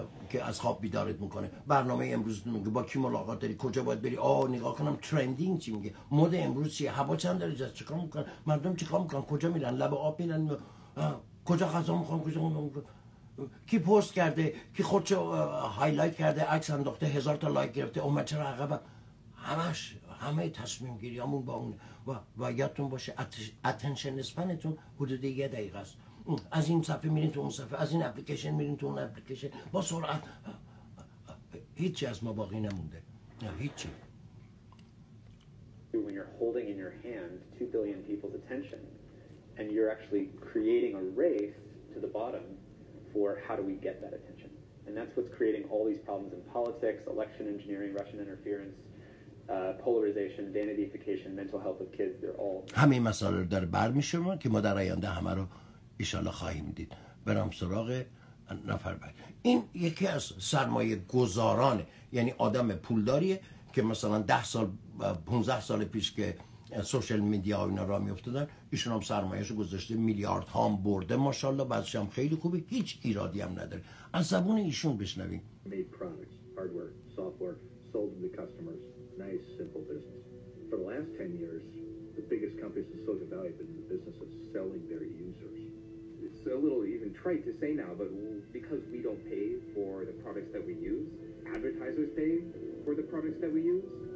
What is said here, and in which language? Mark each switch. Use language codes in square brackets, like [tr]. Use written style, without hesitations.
[fa] که از خواب بیدارت میکنه. برنامه امروز میگه با کی ملاقات داری، کجا باید بری، آه نگاه کنم ترندینگ چی میگه، مد امروز چیه، هوا چند درجه است، چیکار میکنن مردم، چیکار میکنن، کجا میرن، لب آب میرن، کجا غذا میخورن، کجا کی پست کرده، کی خودشو هایلایت کرده، عکس انداخته، هزار تا لایک گرفته، اومد چرا عقب، همش همه تصمیم گیریامون با اون. و یادتون باشه اتنشن اسپنتون حدود یه دقیقه است، از این صفحه میرین تو اون صفحه، از این اپلیکیشن میرین تو اون اپلیکیشن، با سرعت. هیچی از ما باقی نمونده، هیچی. [en] When you're holding in your hand 2 billion people's attention and you're actually creating a race to the bottom for how do we get that attention, and that's what's creating all these problems in politics, election engineering, Russian interference, polarization, vanityification, mental health of kids, they're all [fa] همه مسائل در بر میشوره که ما در آینده همه رو ایشالا خواهیم دید. برام سراغ نفر بعد. این یکی از سرمایه گذارانه، یعنی آدم پولداریه که مثلا 10 سال 15 سال پیش که سوشل میدیا و اینا را میفتدن، ایشون هم سرمایهشو گذاشته، میلیارد ها هم برده ماشاءالله، بعضش هم خیلی خوبه، هیچ ایرادی هم نداره. از زبون ایشون بشنویم. [en] Made products, hardware, software, sold to the customers. Nice, simple business. For the last 10 years, the biggest companies in Silicon Valley have been in the business of selling their users. It's a little even trite to say now, but because we don't pay for the products that we use, advertisers pay for the products that we use.